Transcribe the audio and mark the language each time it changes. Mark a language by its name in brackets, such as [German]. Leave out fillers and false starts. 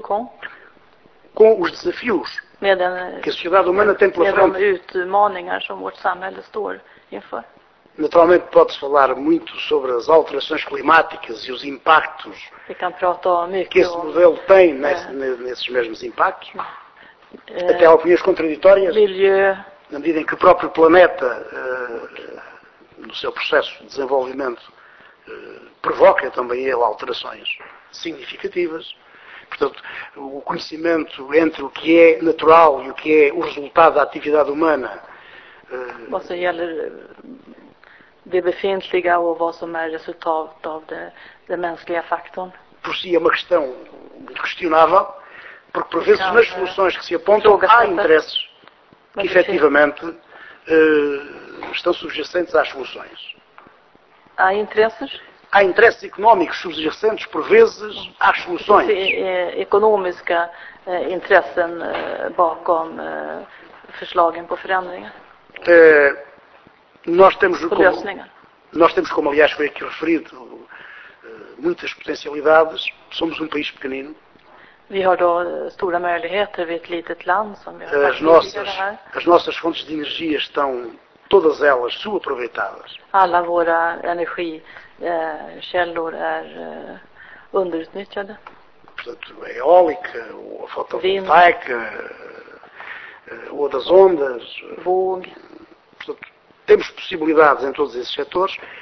[Portuguese] com os desafios que a sociedade humana tem pela frente. [Swedish] Med de utmaningar som vårt samhälle står inför. [Portuguese] Naturalmente pode-se falar muito sobre as alterações climáticas e os impactos que esse modelo tem nesses mesmos impactos. Até há opiniões contraditórias, na medida em que o próprio planeta, no seu processo de desenvolvimento, provoca também ele alterações significativas. Portanto, o conhecimento entre o que é natural e o que é o resultado da atividade humana... [Swedish] Det befintliga och vad som är resultat av den mänskliga faktorn. [Portuguese] Por si é uma questão questionável, porque por vezes nas soluções que se apontam há interesses que efetivamente estão subjacentes às soluções. Há interesses? Há interesses económicos subjacentes, por vezes, às soluções. [Swedish] Económica interessen bakom förslagen på förändringar. [Portuguese] Nós temos, como aliás foi aqui referido, muitas potencialidades. Somos um país pequenino. [Swedish] Vi har då stora möjligheter vid ett litet land som vi har. [Portuguese] As nossas fontes de energia estão todas elas subaproveitadas. [Swedish] Alla våra energikällor är underutnyttjade. [Portuguese] Portanto, a eólica, ou a fotovoltaica, ou a das ondas. Vogue. Portanto, temos possibilidades em todos esses setores.